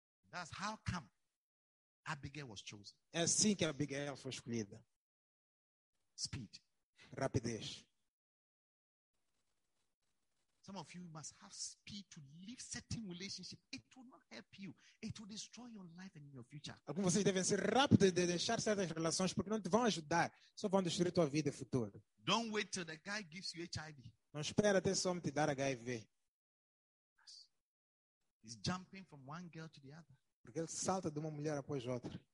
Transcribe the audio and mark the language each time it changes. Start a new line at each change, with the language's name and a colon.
English: That's how come Abigail was chosen.
Portuguese: É assim que Abigail foi escolhida.
English: Speed.
Portuguese: Rapidez.
English: Some of you must have speed to leave certain relationships. It will not help you. It will destroy your life and your future.
Portuguese: Alguns de vocês devem ser rápidos de deixar certas relações porque não te vão ajudar. Só vão destruir tua vida e futuro.
English: Don't wait till the guy gives you HIV.
Portuguese: Não espere até só me te dar HIV.
English: He's jumping from one girl to the other.
Portuguese: Porque ele salta de uma mulher após outra.